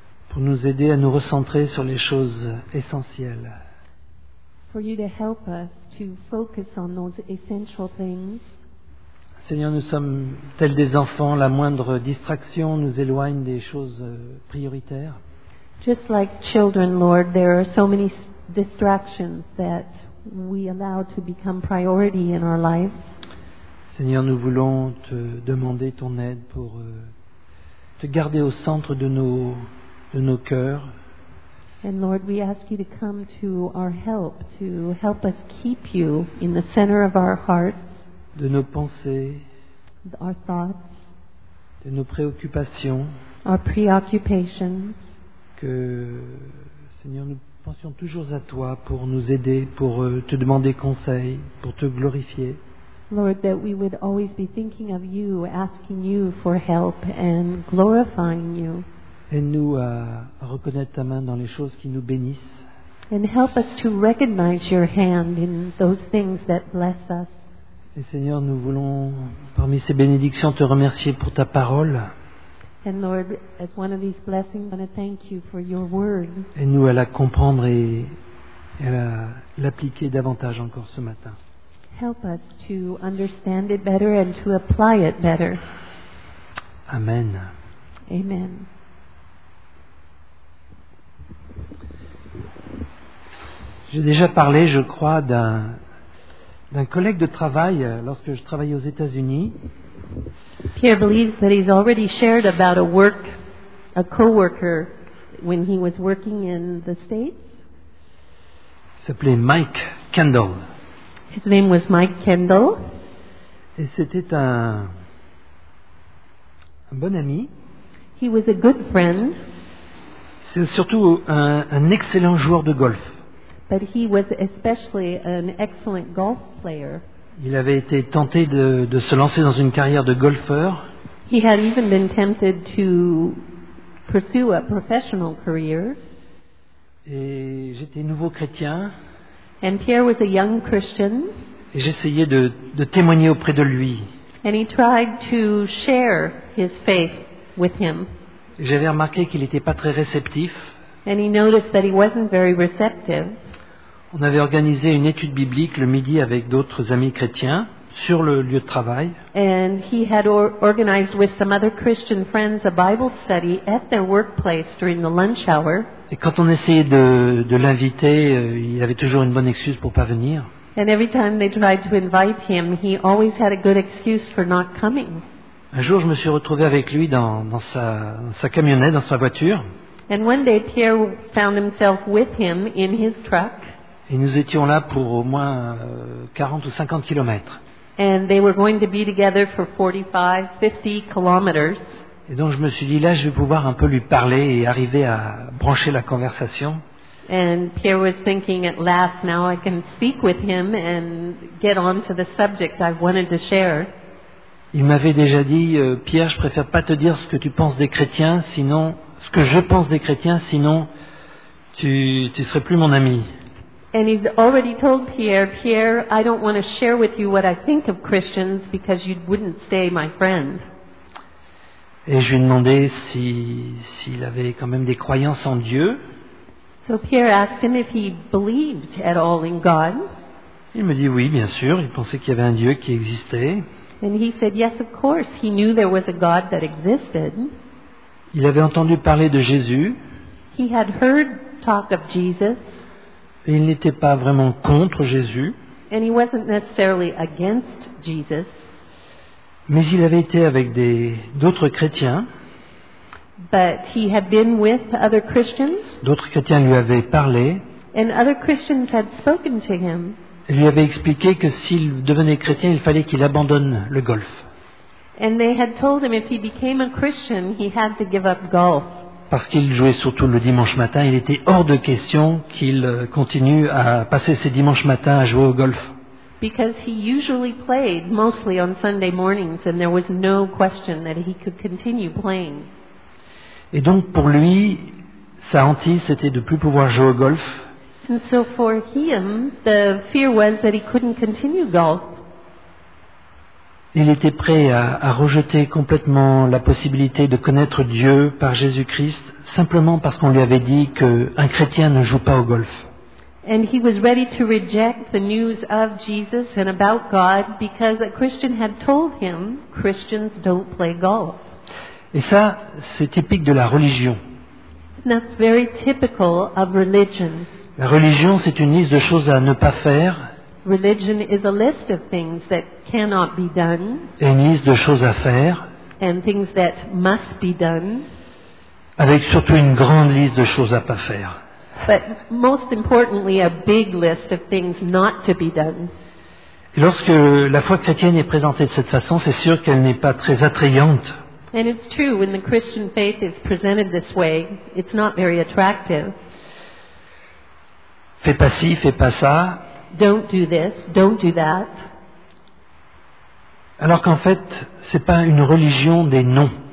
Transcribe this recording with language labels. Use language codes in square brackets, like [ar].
[fr] pour nous aider à nous recentrer sur les choses essentielles. [en] For you to help us to focus on those essential things. [fr] Seigneur, nous sommes tels des enfants, la moindre distraction nous éloigne des choses prioritaires. [en] Just like children, Lord, there are so many distractions that we allow to become priority in our lives. [fr] Seigneur, nous voulons te demander ton aide pour te garder au centre de nos cœurs. [en] And Lord, we ask you to come to our help, to help us keep you in the center of our hearts, [fr] de nos pensées, [en] our thoughts, [fr] de nos préoccupations, [en] our preoccupations. [fr] Que, Seigneur, nous pensions toujours à toi pour nous aider, pour te demander conseil, pour te glorifier. [en] Lord, that we would always be thinking of you, asking you for help and glorifying you. [fr] Aide-nous à reconnaître ta main dans les choses qui nous bénissent. [en] And help us to recognize your hand in those things that bless us. [fr] Et Seigneur, nous voulons, parmi ces bénédictions, te remercier pour ta parole. [en] And Lord, as one of these blessings, I want to thank you for your word. [fr] Et nous à la comprendre et à l'appliquer davantage encore ce matin. [en] Help us to understand it better and to apply it better. [fr] Amen. [en] Amen. [fr] J'ai déjà parlé, je crois, d'un collègue de travail lorsque je travaillais aux États-Unis. [en] Pierre believes that he's already shared about a co-worker when he was working in the States. [fr] Il s'appelait Mike Kendall. [en] His name was Mike Kendall. [fr] Et c'était un bon ami. [en] He was a good friend. [fr] C'est surtout un excellent joueur de golf. [en] But he was especially an excellent golf player. [fr] Il avait été tenté de se lancer dans une carrière de golfeur. [en] He had even been tempted to pursue a professional career. [fr] Et j'étais nouveau chrétien. [en] And Pierre was a young Christian. [fr] Et j'essayais de témoigner auprès de lui. [en] And he tried to share his faith with him. [fr] J'avais remarqué qu'il n'était pas très réceptif. [en] And he noticed that he wasn't very receptive. [fr] On avait organisé une étude biblique le midi avec d'autres amis chrétiens sur le lieu de travail. [en] And he had organized with some other Christian friends a Bible study at their workplace during the lunch hour. [fr] Et quand on essayait de l'inviter, il avait toujours une bonne excuse pour pas venir. [en] And every time they tried to invite him, he always had a good excuse for not coming. [fr] Un jour, je me suis retrouvé avec lui dans sa camionnette, dans sa voiture. [en] And one day Pierre found himself with him in his truck. [fr] Et nous étions là pour au moins 40 ou 50 kilomètres. [en] And they were going to be together for 45, 50 kilometers. [fr] Et donc je me suis dit, là, je vais pouvoir un peu lui parler et arriver à brancher la conversation. [en] And Pierre was thinking, at last, now I can speak with him and get on to the subject I wanted to share. [fr] Il m'avait déjà dit, Pierre, je préfère pas te dire ce que tu penses des chrétiens, sinon, ce que je pense des chrétiens, sinon, tu serais plus mon ami. [en] And he's already told Pierre, I don't want to share with you what I think of Christians because you wouldn't stay my friend. [fr] Et je lui ai demandé s'il avait quand même des croyances en Dieu. [en] So Pierre asked him if he believed at all in God. [fr] Il me dit oui, bien sûr, il pensait qu'il y avait un Dieu qui existait. [en] And he said yes, of course, he knew there was a God that existed. [fr] Il avait entendu parler de Jésus. [en] He had heard talk of Jesus. [fr] Et il n'était pas vraiment contre Jésus. [en] And he wasn't necessarily against Jesus. [fr] Mais il avait été avec d'autres chrétiens. [en] But he had been with other Christians. [fr] D'autres chrétiens lui avaient parlé. [en] And other Christians had spoken to him. [fr] Et lui avaient expliqué que s'il devenait chrétien, il fallait qu'il abandonne le golf. [en] And they had told him if he became a Christian, he had to give up golf. [fr] Parce qu'il jouait surtout le dimanche matin, il était hors de question qu'il continue à passer ses dimanches matins à jouer au golf. [en] Because he usually played mostly on Sunday mornings and there was no question that he could continue playing. [fr] Et donc pour lui, sa hantise c'était de plus pouvoir jouer au golf. [en] And so for him, the fear was that he couldn't continue golf. [fr] Il était prêt à rejeter complètement la possibilité de connaître Dieu par Jésus-Christ simplement parce qu'on lui avait dit qu'un chrétien ne joue pas au golf. [en] And he was ready to reject the news of Jesus and about God because a Christian had told him Christians don't play golf. [fr] Et ça, c'est typique de la religion. [en] And that's very typical of religion. [fr] La religion, c'est une liste de choses à ne pas faire. [en] Religion is a list of things that cannot be done. [fr] Et une liste de choses à faire. [en] And things that must be done. [fr] Avec surtout une grande liste de choses à ne pas faire. [en] But most importantly, a big list of things not to be done. [fr] Et lorsque la foi chrétienne est présentée de cette façon, c'est sûr qu'elle n'est pas très attrayante. [en] And it's true, when the Christian faith is presented this way, it's not very attractive. [fr] Fais pas ci, fais pas ça. [en] Don't do this, don't do that. [fr] Alors qu'en fait, c'est pas une religion des noms.